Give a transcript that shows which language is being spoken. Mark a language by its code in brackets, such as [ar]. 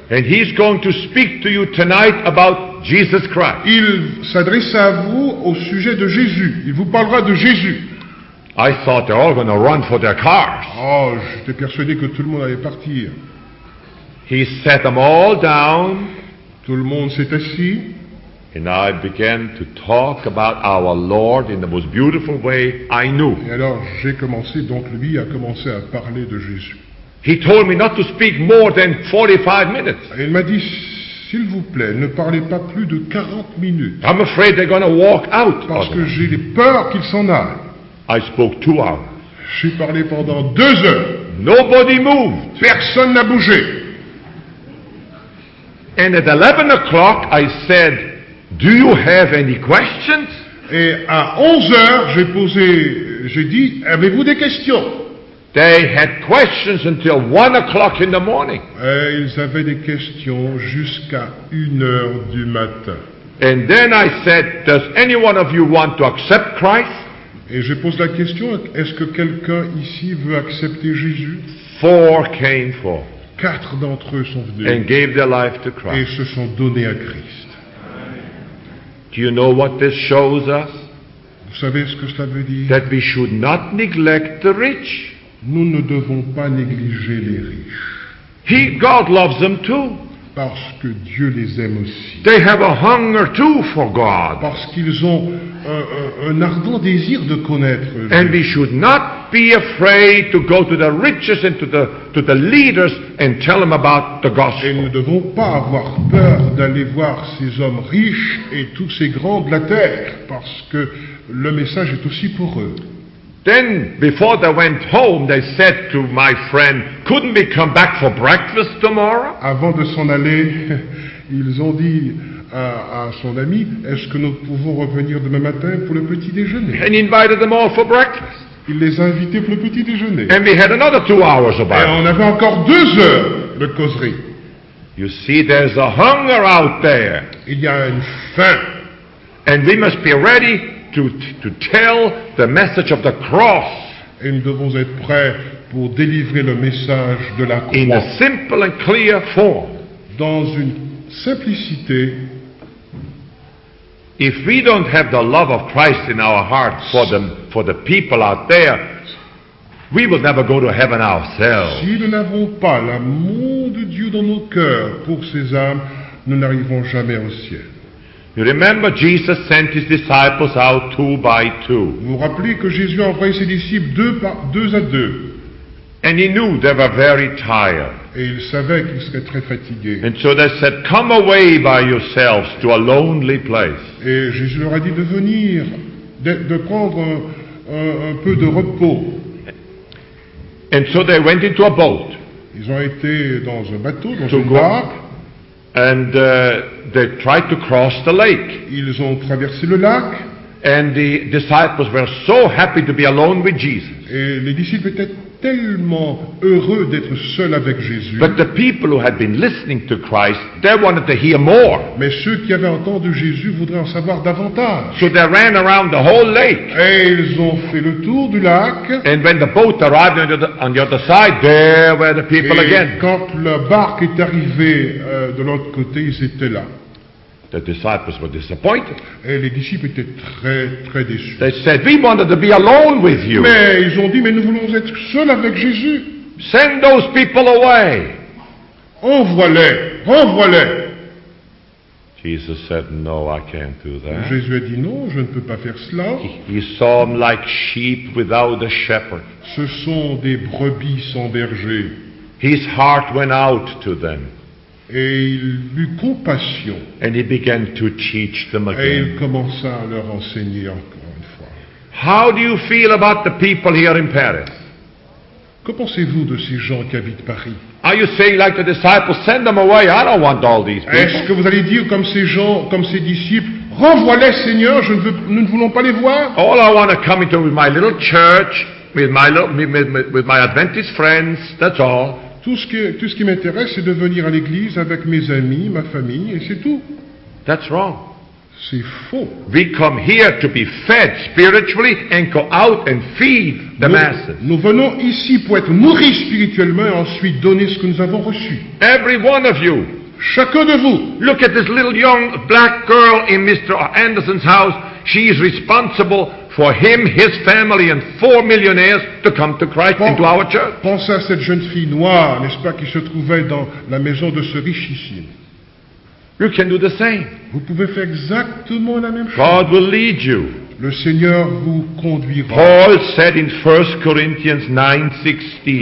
[en] And he's going to speak to you tonight about Jesus Christ. [fr] Il s'adresse à vous au sujet de Jésus. Il vous parlera de Jésus. [en] I thought they're all going to run for their cars. [fr] Oh, j'étais persuadé que tout le monde allait partir. [en] He sat them all down. [fr] Tout le monde s'est assis. [en] And I began to talk about our Lord in the most beautiful way I knew. [fr] Et alors j'ai commencé, donc lui a commencé à parler de Jésus. [en] He told me not to speak more than 45 minutes. [fr] Et il m'a dit, s'il vous plaît, ne parlez pas plus de 40 minutes. [en] I'm afraid they're going to walk out. [fr] Parce que j'ai peur qu'ils s'en aillent. [en] I spoke 2 hours. [fr] J'ai parlé pendant 2 heures. [en] Nobody moved. [fr] Personne n'a bougé. [en] And at 11 o'clock, I said, do you have any questions? [fr] Et à 11h, j'ai dit, avez-vous des questions? [en] They had questions until 1 o'clock in the morning. [fr] Et ils avaient des questions jusqu'à 1h du matin. [en] And then I said, does any one of you want to accept Christ? [fr] Et je pose la question, est-ce que quelqu'un ici veut accepter Jésus? [en] 4 came forth. [fr] 4 d'entre eux sont venus. [en] And gave their life to Christ. [fr] Et se sont donnés à Christ. [en] Do you know what this shows us? [fr] Vous savez ce que cela veut dire? [en] That we should not neglect the rich. [fr] Nous ne devons pas négliger les riches. [en] God loves them too. [fr] Parce que Dieu les aime aussi. [en] They have a hunger too for God. [fr] Parce qu'ils ont un ardent désir de connaître Dieu. [en] And we should not be afraid to go to the richest and to the leaders and tell them about the gospel. [fr] Et nous ne devons pas avoir peur d'aller voir ces hommes riches et tous ces grands de la terre, parce que le message est aussi pour eux. [en] Then, before they went home, they said to my friend, couldn't we come back for breakfast tomorrow? [fr] Avant de s'en aller, ils ont dit à son ami, est-ce que nous pouvons revenir demain matin pour le petit déjeuner? [en] And he invited them all for breakfast. [fr] Il les a invités pour le petit déjeuner. [en] And we had another 2 hours of [fr] Bible. Et on avait encore 2 heures de causerie. [en] You see, there's a hunger out there. [fr] Il y a une faim. [en] And we must be ready to tell the message of the cross. [fr] Et nous devons être prêts pour délivrer le message de la croix. [en] In a simple and clear form. [fr] Dans une simplicité. [en] If we don't have the love of Christ in our heart for the people out there, we will never go to heaven ourselves. [fr] Si nous n'avons pas l'amour de Dieu dans nos cœurs pour ces âmes, nous n'arriverons jamais au ciel. [en] You remember Jesus sent his disciples out 2 by 2. [fr] Vous vous rappelez que Jésus a envoyé ses disciples 2 à 2. [en] And he knew they were very tired. [fr] Et il savait qu'ils seraient très fatigués. [en] And so they said, come away by yourselves to a lonely place. [fr] Et Jésus leur a dit de venir, de prendre un peu de repos. [en] And so they went into a boat. [fr] Ils ont été dans un bateau, dans une barque. [en] And they tried to cross the lake. [fr] Ils ont traversé le lac. [en] And the disciples were so happy to be alone with Jesus. [fr] Et les disciples étaient tellement heureux d'être seuls avec Jésus. [en] But the people who had been listening to Christ, they wanted to hear more. [fr] Mais ceux qui avaient entendu Jésus voudraient en savoir davantage. [en] So they ran around the whole lake. [fr] Et ils ont fait le tour du lac. [en] And when the boat arrived on the other side, there were the people [fr] Et [en] again. [fr] Et quand la barque est arrivée de l'autre côté, ils étaient là. [en] The disciples were disappointed. [fr] Et les disciples étaient très très déçus. [en] They said, "We wanted to be alone with you." [fr] Mais ils ont dit, "Mais nous voulons être seuls avec Jésus." [en] Send those people away. [fr] Envoie-les. [en] Jesus said, "No, I can't do that." [fr] Jésus a dit, "Non, je ne peux pas faire cela." [en] He saw them like sheep without a shepherd. [fr] Ce sont des brebis sans berger. [en] His heart went out to them. [fr] Et il eut compassion. [en] And he began to teach them again. [fr] Et il commença à leur enseigner encore une fois. [en] How do you feel about the people here in Paris? [fr] Que pensez-vous de ces gens qui habitent Paris? [en] Are you saying like the disciples, send them away? I don't want all these people. [fr] Est-ce que vous allez dire comme ces gens, comme ces disciples, renvoie-les, Seigneur, nous ne voulons pas les voir? [en] All I want to come into with my little church, with my Adventist friends. That's all. [fr] Tout ce qui m'intéresse, c'est de venir à l'église avec mes amis, ma famille, et c'est tout. [en] That's wrong. [fr] C'est faux. [en] We come here to be fed spiritually and go out and feed the masses. [fr] Nous venons ici pour être nourris spirituellement et ensuite donner ce que nous avons reçu. [en] Every one of you. [fr] Chacun de vous. [en] Look at this little young black girl in Mr. Anderson's house. She is responsible for him, his family, and 4 millionaires to come to Christ into our church. [fr] Pensez à cette jeune fille noire, n'est-ce pas, qui se trouvait dans la maison de ce richissime. [en] You can do the same. [fr] Vous pouvez faire exactement la même [en] God [fr] chose. [en] God will lead you. [fr] Le Seigneur vous conduira. [en] Paul said in 1 Corinthians 9:16.